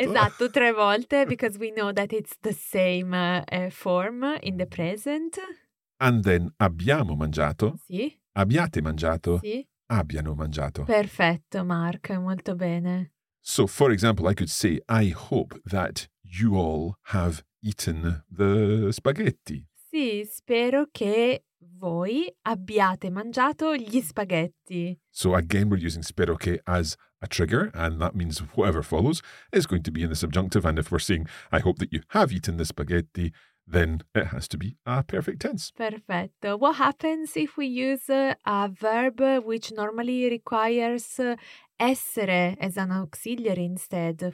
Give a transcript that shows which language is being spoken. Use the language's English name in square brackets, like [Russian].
[Italian] Esatto, tre volte, [English] because we know that it's the same form in the present. And then [Italian] abbiamo mangiato. Sì. Abbiate mangiato. Sì. Abbiano mangiato. Perfetto, Mark, molto bene. [English] So, for example, I could say, I hope that you all have eaten the spaghetti. [Italian] Sì, spero che voi abbiate mangiato gli spaghetti. [English] So again, we're using [Italian] spero che [English] as a trigger, and that means whatever follows is going to be in the subjunctive. And if we're saying, I hope that you have eaten the spaghetti, then it has to be a perfect tense. [Italian] Perfetto. [English] What happens if we use a verb which normally requires essere as an auxiliary instead?